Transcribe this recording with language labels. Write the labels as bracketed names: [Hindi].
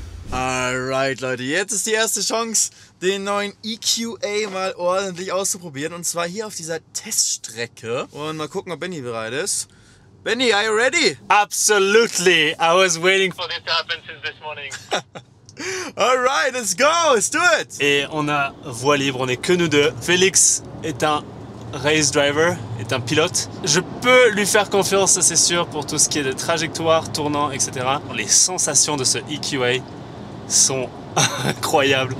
[German] Alright Leute, jetzt ist die erste Chance, den neuen EQA mal ordentlich auszuprobieren, und zwar hier auf dieser Teststrecke. Und mal gucken, ob Benny bereit ist. [English] Benny, are you ready? Absolutely! I was waiting for this to happen since this morning. Alright, let's go! Let's do it! [French] Et on a voie libre, on est que nous deux. Félix est un race driver, est un pilote. Je peux lui faire confiance, ça c'est sûr, pour tout ce qui est de trajectoire, tournant, etc. Les sensations de ce EQA sont incroyable.